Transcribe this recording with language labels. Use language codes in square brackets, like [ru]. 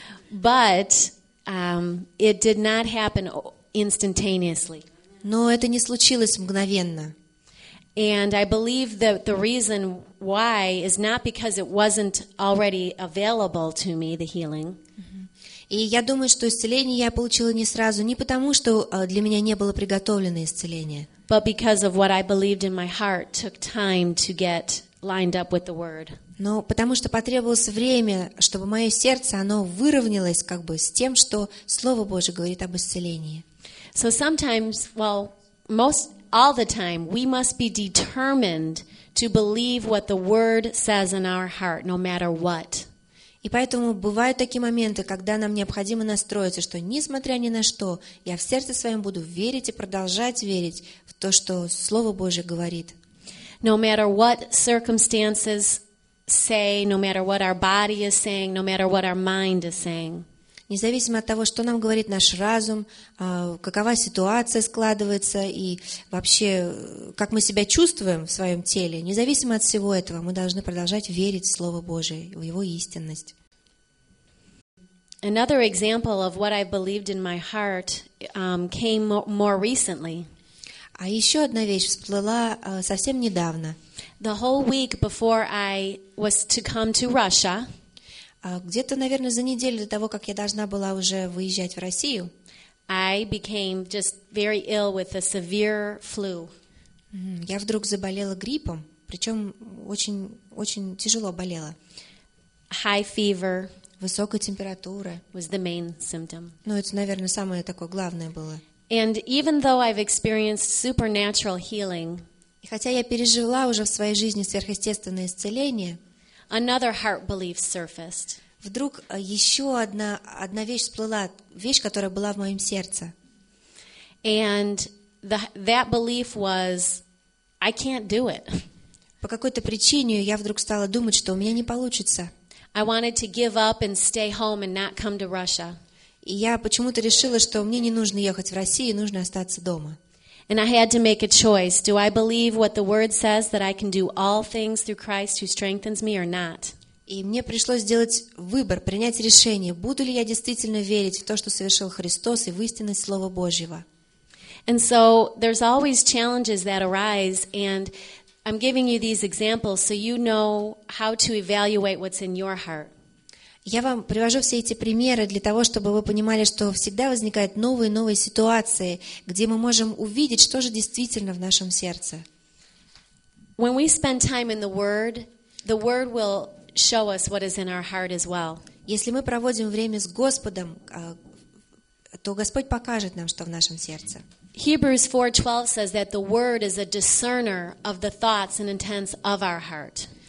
[en] But it did not happen instantaneously. [ru] Но это не случилось мгновенно. [en] And I believe that the reason why is not because it wasn't already available to me, the healing. [ru] И я думаю, что исцеление я получила не сразу, не потому, что для меня не было приготовлено исцеление. [en] But because of what I believed in my heart took time to get lined up with the word. [ru] Но потому что потребовалось время, чтобы мое сердце оно выровнялось как бы с тем, что Слово Божие говорит об исцелении. [en] So sometimes, well, most all the time, we must be determined to believe what the Word says in our heart, no matter what. [ru] И поэтому бывают такие моменты, когда нам необходимо настроиться, что несмотря ни на что, я в сердце своем буду верить и продолжать верить в то, что Слово Божие говорит. [en] No matter what circumstances say, no matter what our body is saying, no matter what our mind is saying. [ru] Независимо от того, что нам говорит наш разум, какова ситуация складывается и вообще, как мы себя чувствуем в своем теле, независимо от всего этого, мы должны продолжать верить в Слово Божие, в Его истинность. [en] Another example of what I believed in my heart came more recently. [ru] А еще одна вещь всплыла совсем недавно. [en] The whole week before I was to come to Russia, [ru] где-то, наверное, за неделю до того, как я должна была уже выезжать в Россию, [en] I became just very ill with a severe flu. [ru] Я вдруг заболела гриппом, причем очень-очень тяжело болела. [en] High fever. [ru] Высокая температура. [en] Was the main symptom. [ru] Ну, это, наверное, самое такое главное было. [en] And even though I've experienced supernatural healing, [ru] и хотя я пережила уже в своей жизни сверхъестественное исцеление, [en] another heart belief surfaced. [ru] Вдруг еще одна вещь всплыла, вещь, которая была в моем сердце. [en] And that belief was, I can't do it. [ru] По какой-то причине я вдруг стала думать, что у меня не получится. [en] I wanted to give up and stay home and not come to Russia. [ru] И я почему-то решила, что мне не нужно ехать в Россию, нужно остаться дома. [en] And I had to make a choice. Do I believe what the Word says that I can do all things through Christ who strengthens me or not? [ru] И мне пришлось сделать выбор, принять решение, буду ли я действительно верить в то, что совершил Христос и в истинность Слова Божьего. [en] And so there's always challenges that arise, and I'm giving you these examples so you know how to evaluate what's in your heart. [ru] Я вам привожу все эти примеры для того, чтобы вы понимали, что всегда возникают новые и новые ситуации, где мы можем увидеть, что же действительно в нашем сердце. [en] When we spend time in the Word, the word will show us what is in our heart as well. [ru] Если мы проводим время с Господом, то Господь покажет нам, что в нашем сердце. [en] Hebrews 4:12 says that the word is a discerner of the thoughts and intents of our heart.